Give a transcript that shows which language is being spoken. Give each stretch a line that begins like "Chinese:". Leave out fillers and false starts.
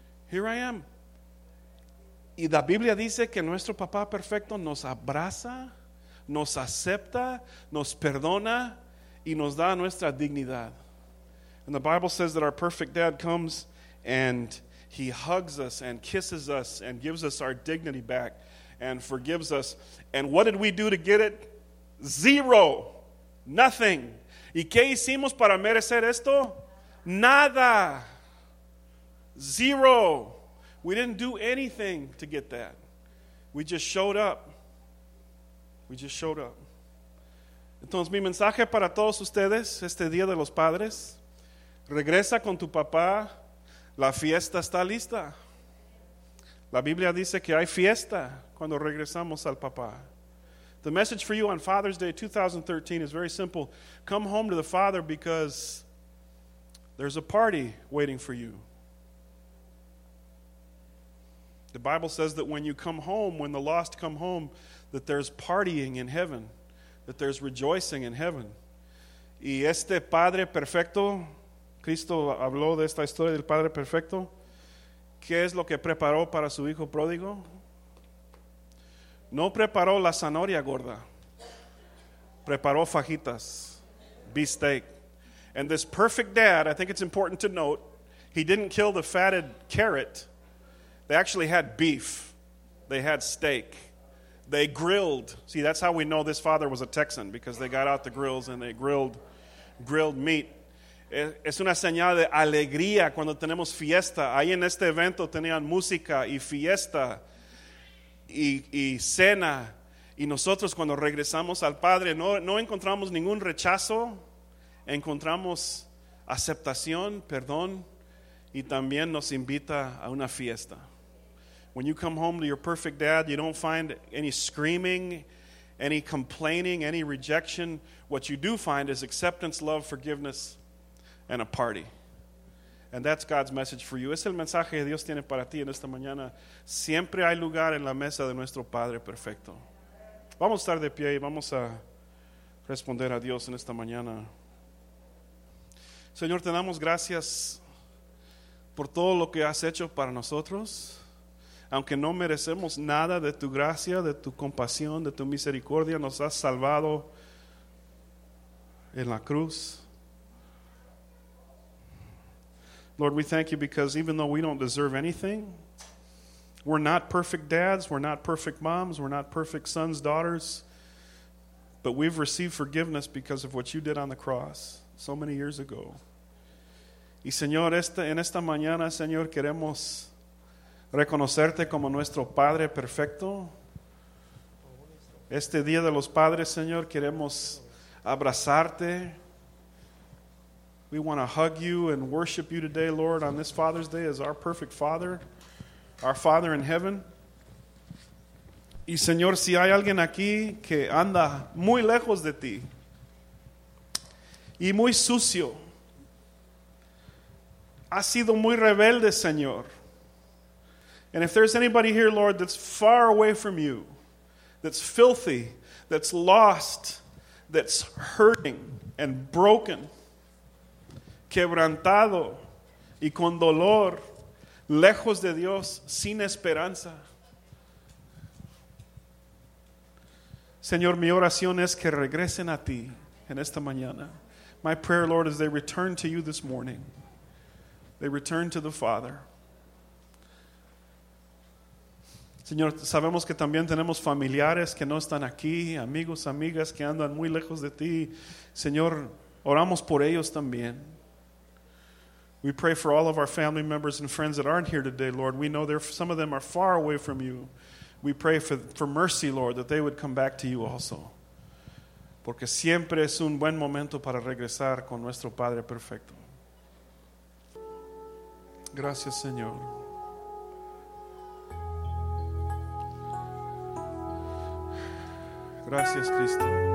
English: Here I am.
Spanish: Y la Biblia dice que nuestro papá perfecto nos abraza, nos acepta, nos perdona, y nos da nuestra dignidad.
English: And the Bible says that our perfect dad comes and he hugs us and kisses us and gives us our dignity back and forgives us. And what did we do to get it? Zero. Nothing.
Spanish: ¿Y qué hicimos para merecer esto? Nada.
English: Zero. We didn't do anything to get that. We just showed up. We just showed up.
Spanish: Entonces, mi mensaje para todos ustedes, este Día de los Padres, regresa con tu papá, la fiesta está lista. La Biblia dice que hay fiesta cuando regresamos al papá.
English: The message for you on Father's Day 2013 is very simple. Come home to the Father because there's a party waiting for you. The Bible says that when you come home, when the lost come home, that there's partying in heaven, that there's rejoicing in heaven.
Spanish: Y este Padre Perfecto, Cristo habló de esta historia del Padre Perfecto. ¿Qué es lo que preparó para su hijo pródigo? No preparó la zanahoria gorda. Preparó fajitas, bistec.
English: And this perfect dad, I think it's important to note, he didn't kill the fatted carrot. They actually had beef. They had steak. They grilled. See, that's how we know this father was a Texan, because they got out the grills and they grilled meat.
Spanish: Es una señal de alegría cuando tenemos fiesta. Ahí en este evento tenían música y fiesta y cena. Y nosotros cuando regresamos al Padre, no encontramos ningún rechazo. Encontramos aceptación, perdón, y también nos invita a una fiesta.
English: When you come home to your perfect dad, you don't find any screaming, any complaining, any rejection. What you do find is acceptance, love, forgiveness, and a party. And that's God's message for you.
Spanish: Es el mensaje que Dios tiene para ti en esta mañana. Siempre hay lugar en la mesa de nuestro Padre Perfecto. Vamos a estar de pie y vamos a responder a Dios en esta mañana. Señor, te damos gracias por todo lo que has hecho para nosotros. Aunque no merecemos nada de tu gracia, de tu compasión, de tu misericordia, nos has salvado en la cruz.
English: Lord, we thank you because even though we don't deserve anything, we're not perfect dads, we're not perfect moms, we're not perfect sons, daughters, but we've received forgiveness because of what you did on the cross so many years ago.
Spanish: Y Señor, en esta mañana, Señor, queremos reconocerte como nuestro Padre Perfecto. Este Día de los Padres, Señor, queremos abrazarte.
English: We want to hug you and worship you today, Lord, on this Father's Day as our perfect Father, our Father in Heaven.
Spanish: Y Señor, si hay alguien aquí que anda muy lejos de ti y muy sucio, ha sido muy rebelde, Señor.
English: And if there's anybody here, Lord, that's far away from you, that's filthy, that's lost, that's hurting and broken,
Spanish: quebrantado y con dolor, lejos de Dios, sin esperanza. Señor, mi oración es que regresen a ti en esta mañana.
English: My prayer, Lord, is they return to you this morning. They return to the Father.
Spanish: Señor, sabemos que también tenemos familiares que no están aquí, amigos, amigas que andan muy lejos de ti. Señor, oramos por ellos también.
English: We pray for all of our family members and friends that aren't here today, Lord. We know there some of them are far away from you. We pray for mercy, Lord, that they would come back to you also.
Spanish: Porque siempre es un buen momento para regresar con nuestro Padre perfecto. Gracias, Señor. Gracias, Cristo.